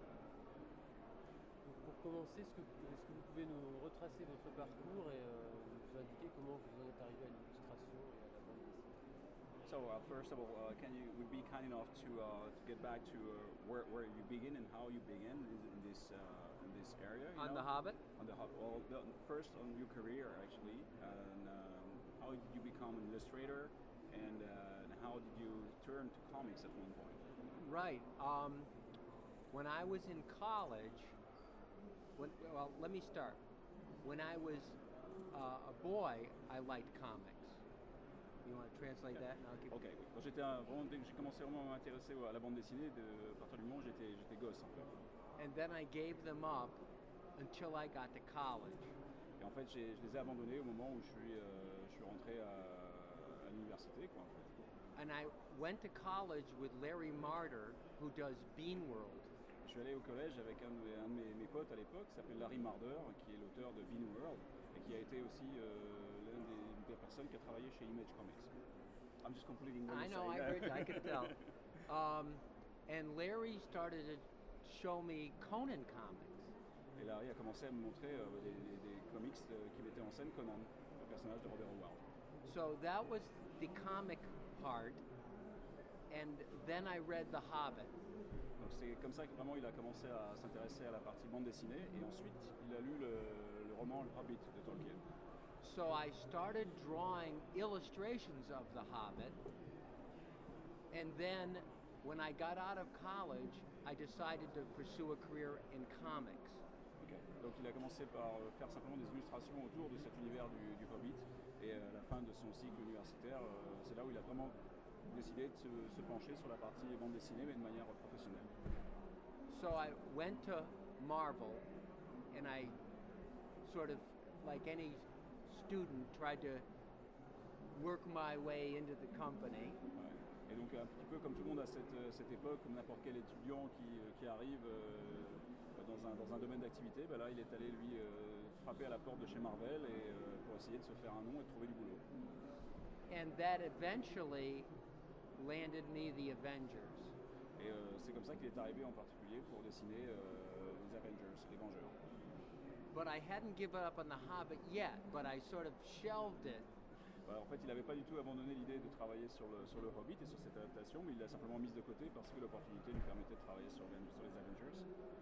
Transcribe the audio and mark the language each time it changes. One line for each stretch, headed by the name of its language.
French: Donc pour commencer, est-ce que vous pouvez nous retracer votre parcours et nous indiquer comment vous en êtes arrivé à l'illustration et à la bande dessinée?
English: So first of all, would be kind enough to get back to where you begin and how you begin in this area? The Hobbit. On the Hobbit. Well, first on your career actually, and how did you become an illustrator, and how did you turn to comics at one point? Right. When I was in college, let me start. When I was a boy, I liked comics. You want to translate that? And I'll keep okay.
French: Quand j'étais vraiment, dès que j'ai commencé vraiment à m'intéresser à la bande dessinée, de partir du moment, j'étais gosse en fait.
English: And then I gave them up until I got to college.
French: Et en fait, je les ai abandonnés au moment où je suis rentré à l'université, quoi. En fait.
English: And I went to college with Larry Marder, who does Bean World.
French: Je suis allé au collège avec un de mes potes à l'époque, qui s'appelle Larry Marder, qui est l'auteur de Bean World, et qui a été aussi l'une des personnes qui a travaillé chez Image Comics.
English: I'm just completing what you're saying. I know, I can tell. And Larry started to show me Conan comics.
French: Et Larry a commencé à me montrer des comics qui mettaient en scène Conan, le personnage de Robert Howard.
English: So that was the comic part, and then I read The Hobbit.
French: Donc c'est comme ça que vraiment il a commencé à s'intéresser à la partie bande dessinée et ensuite il a lu le roman Le Hobbit de Tolkien.
English: So I started drawing illustrations of The Hobbit, and then when I got out of college, I decided to pursue a career in comics. Okay.
French: Donc il a commencé par faire simplement des illustrations autour de cet univers du Hobbit et à la fin de son cycle universitaire, c'est là où il a vraiment décidé de se pencher sur la partie bande dessinée mais de manière professionnelle.
English: So I went to Marvel and I sort of like any student tried to work my way into the company.
French: Ouais. Et donc un petit peu comme tout le monde à cette époque, comme n'importe quel étudiant qui arrive dans un domaine d'activité, ben là il est allé lui frapper à la porte de chez Marvel et pour essayer de se faire un nom et de trouver du boulot.
English: And that eventually landed me the Avengers.
French: Et c'est comme ça qu'il est arrivé en particulier pour dessiner les Avengers, les Vengeurs.
English: But I hadn't given up on The Hobbit yet, but I sort of shelved it.
French: Bah, en fait, il n'avait pas du tout abandonné l'idée de travailler sur le Hobbit et sur cette adaptation, mais il l'a simplement mise de côté parce que l'opportunité lui permettait de travailler sur les Avengers.